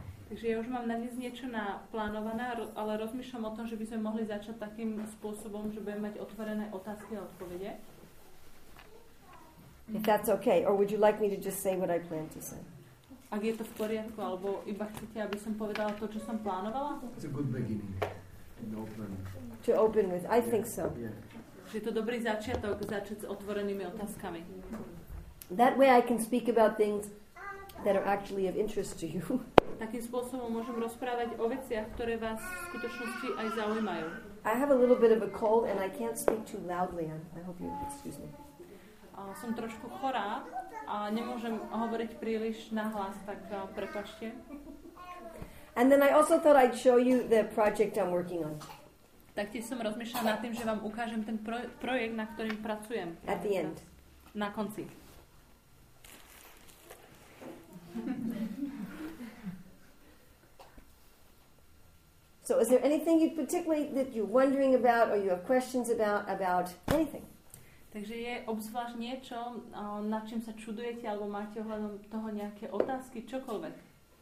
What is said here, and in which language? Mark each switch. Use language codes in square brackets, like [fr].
[sk] Takže ja už mám na dnes niečo naplánované, ale rozmýšľam o tom, že by sme mohli začať takým spôsobom, že budeme mať otvorené otázky a odpovede. [en] If that's okay, or would you like me to just say what I plan to say? [sk] Ak je to v poriadku, alebo iba chcete, aby som povedala to, čo som plánovala? [en] It's a good beginning. Open. To open with, I think so. Yeah. [sk] Že je to dobrý začiatok, začať s otvorenými otázkami. [en] That way I can speak about things that are actually of interest to you. [sk] Takým spôsobom môžem rozprávať o veciach, ktoré vás v skutočnosti aj zaujímajú. [en] I have a little bit of a cold and I can't speak too loudly. I hope you'll excuse me. [sk] Som trošku chorá a nemôžem hovoriť príliš nahlas, tak prepáčte. [en] And then I also thought I'd show you the project I'm working on. [sk] Taktiež som rozmýšľala nad tým, že vám ukážem ten projekt, na ktorým pracujem. [en] At the end. [sk] Na konci. [en] So is there anything you particularly that you're wondering about or you have questions about anything? [sk] Takže je obzvlášť niečo, nad čím sa čudujete alebo máte ohľadom toho nejaké otázky, čokoľvek.